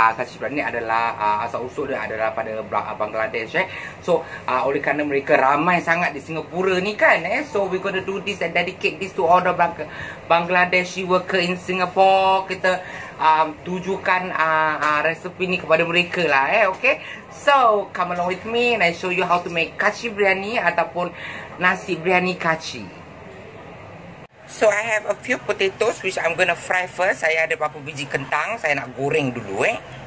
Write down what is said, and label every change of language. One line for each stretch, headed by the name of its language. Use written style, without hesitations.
Malay: Kachi biryani adalah asal-usul dia adalah pada Bangladesh eh. So oleh kerana mereka ramai sangat di Singapura ni kan eh.
English: So we're going to do this and dedicate this to all the Bangladeshi worker in Singapore.
Malay: Kita tujukan resepi ni kepada mereka lah eh.
English: Okay, so come along with me and I show you how to make kachi biryani
Malay: ataupun nasi biryani kachi.
English: So I have a few potatoes which I'm gonna fry first.
Malay: Saya ada beberapa biji kentang, saya nak goreng dulu eh.